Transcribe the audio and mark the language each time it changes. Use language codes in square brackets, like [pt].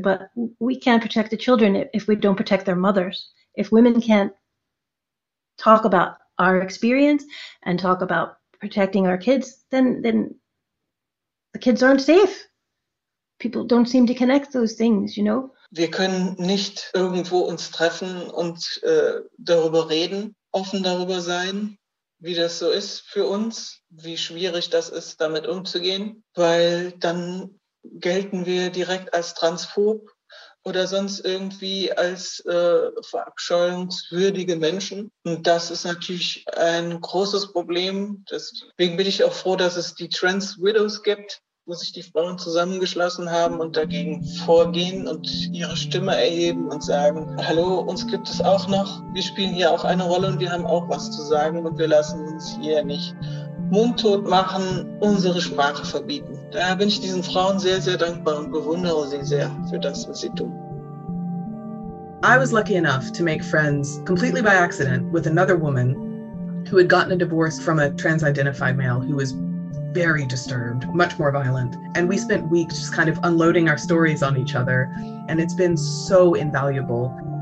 [en] But we can't protect the children if we don't protect their mothers. If women can't talk about our experience and talk about protecting our kids, then the kids aren't safe. People don't seem to connect those things, you know. [de] Wir können nicht irgendwo uns treffen und darüber reden, offen darüber sein, wie das so ist für uns, wie schwierig das ist, damit umzugehen, weil dann gelten wir direkt als transphob oder sonst irgendwie als verabscheuungswürdige Menschen. Und das ist natürlich ein großes Problem. Deswegen bin ich auch froh, dass es die Trans Widows gibt, wo sich die Frauen zusammengeschlossen haben und dagegen vorgehen und ihre Stimme erheben und sagen, hallo, uns gibt es auch noch, wir spielen hier auch eine Rolle und wir haben auch was zu sagen und wir lassen uns hier nicht mundtot machen, unsere Sprache verbieten. Daher bin ich diesen Frauen sehr, sehr dankbar und bewundere sie sehr für das, was sie tun. [en] I was lucky enough to make friends completely by accident with another woman who had gotten a divorce from a trans-identified male who was very disturbed, much more violent. And we spent weeks just kind of unloading our stories on each other. And it's been so invaluable.